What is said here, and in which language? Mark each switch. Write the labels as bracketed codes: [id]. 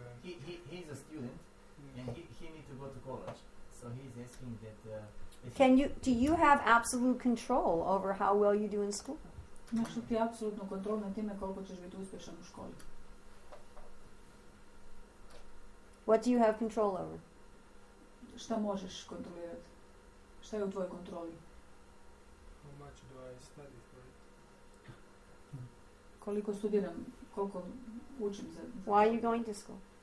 [en] He's a student, and he needs to go to college. So he's asking that... Do you have absolute control over how well you do in school? [hr] Imaš li ti apsolutno kontrol na time koliko ćeš biti uspješan u školi? [en] What do you have control over? [hr] Šta možeš kontrolirati? Šta je u tvojoj kontroli? [en] How much do I study for it? [hr] Koliko studiram... Koliko učim za... [en] Why are you going to school?